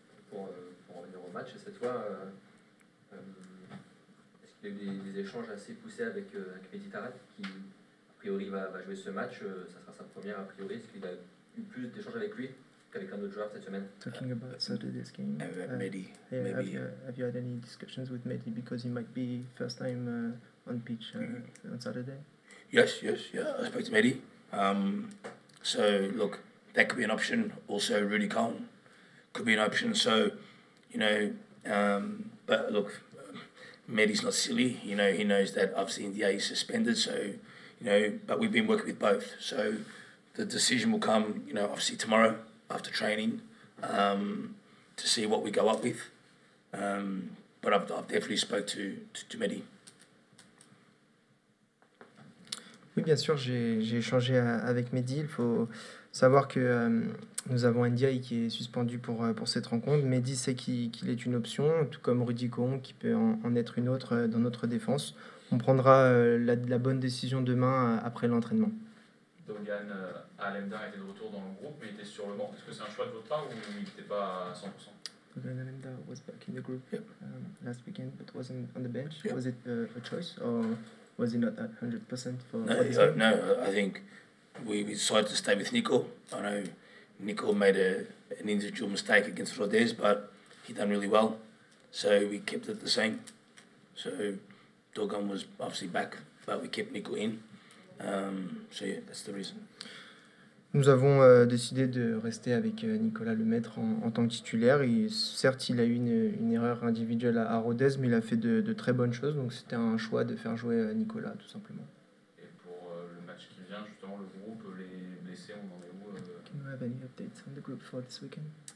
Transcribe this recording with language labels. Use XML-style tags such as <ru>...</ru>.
<fr>Pour revenir au match, cette fois, est-ce qu'il y a eu des échanges assez poussés avec Mehdi Tarrat, qui, a priori, va jouer ce match, ça sera sa première, a priori. Est-ce qu'il a eu plus d'échanges avec lui qu'avec un autre joueur cette semaine?</fr> <en>Talking about Saturday's game. Mehdi, Have you had any discussions with Mehdi, because he might be first time on pitch on Saturday? Yes, I spoke to Mehdi. So look, that could be an option. Also, Rudy Cullen could be an option. So, you know, but look, Mehdi's not silly. You know, he knows that I've seen the A's suspended. So, you know, but we've been working with both. So, the decision will come, you know, obviously tomorrow after training, to see what we go up with. But I've definitely spoke to Mehdi.</en> <fr>Oui, bien sûr, j'ai échangé avec Mehdi. Il faut savoir que nous avons Ndiaye qui est suspendu pour cette rencontre. Mehdi sait qu'il est une option, tout comme Rudy Cullen qui peut en être une autre dans notre défense. On prendra la bonne décision demain après l'entraînement. Dogan Alemdar était de retour dans le groupe, mais il était sur le banc. Est-ce que c'est un choix de votre part ou il n'était pas à 100%?</fr> <en>Dogan Alemdar was back in the group last weekend, but wasn't on the bench. Yep. Was it a choice or... Was he not at 100% for no, what he's doing? No, I think we decided to stay with Nico. I know Nico made an individual mistake against Rodez, but he done really well. So we kept it the same. So Dogan was obviously back, but we kept Nico in. So yeah, that's the reason.</en> <fr>Nous avons décidé de rester avec Nicolas Lemaitre en tant que titulaire. Et certes, il a eu une erreur individuelle à Rodez, mais il a fait de très bonnes choses. Donc, c'était un choix de faire jouer Nicolas, tout simplement. Et pour le match qui vient, justement, le groupe, les blessés, on en est où</fr> <en>Can you have any updates on the group for this weekend?</en>